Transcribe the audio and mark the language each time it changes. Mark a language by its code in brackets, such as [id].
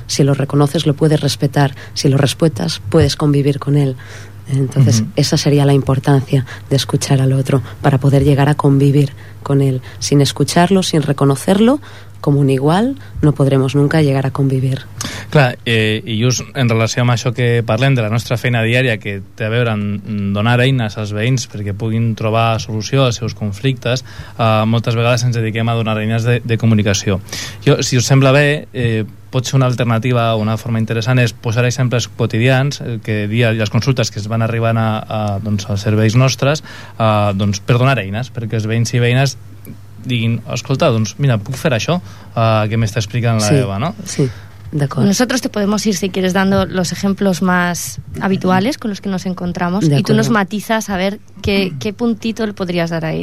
[es] Si lo reconoces, lo puedes respetar. Si lo respetas, puedes convivir con él. Entonces, esa sería la importancia de escuchar al otro para poder llegar a convivir con él. Sin escucharlo, sin reconocerlo com un igual, no podremos nunca llegar a convivir. [ca] Clar, i just en relació amb això que parlem de la nostra feina diària, que té a veure amb donar eines als veïns perquè puguin trobar solució als seus conflictes, moltes vegades ens dediquem a donar eines de comunicació. Jo, si us sembla bé, pot ser una alternativa o una forma interessant és posar exemples quotidians, que dia les consultes que es van arribant doncs, als serveis nostres, doncs, per donar eines, perquè els veïns i veïnes diguin, escolta, doncs mira, puc fer això que m'està explicant la sí, Eva, no? Sí, d'acord. [es] Nosotros te podemos ir, si quieres, dando los ejemplos más habituales con los que nos encontramos y tú nos matizas a ver qué puntito le podrías dar ahí.